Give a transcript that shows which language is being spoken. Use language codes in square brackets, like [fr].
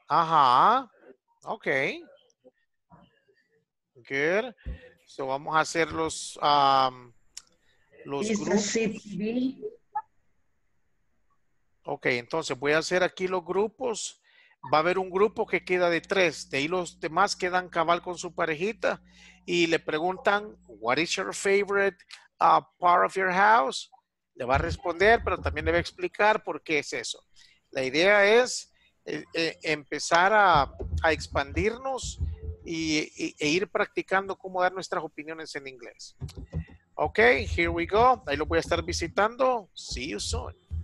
[en] Ajá. Okay. Good. [es] So vamos a hacer los grupos. Okay, entonces voy a hacer aquí los grupos. Va a haber un grupo que queda de tres. De ahí los demás quedan cabal con su parejita. Y le preguntan, [en] what is your favorite part of your house? [es] Le va a responder, pero también le va a explicar por qué es eso. La idea es empezar a expandirnos e ir practicando cómo dar nuestras opiniones en inglés. [en] Ok, here we go. [es] Ahí lo voy a estar visitando. [en] See you soon.